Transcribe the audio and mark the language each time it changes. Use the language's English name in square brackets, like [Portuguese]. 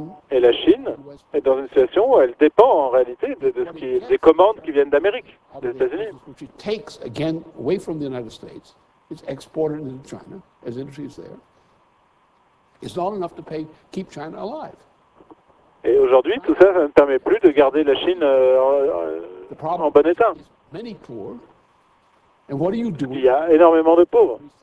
[French] Et la Chine est dans une situation où elle dépend en réalité des commandes qui viennent d'Amérique, des États-Unis. [English] Which it takes again away from the United States, it's exported into China as industry is there. It's not enough to pay keep China alive. [French] Et aujourd'hui, tout ça, ça ne permet plus de garder la Chine en bon état. Il y a énormément de pauvres.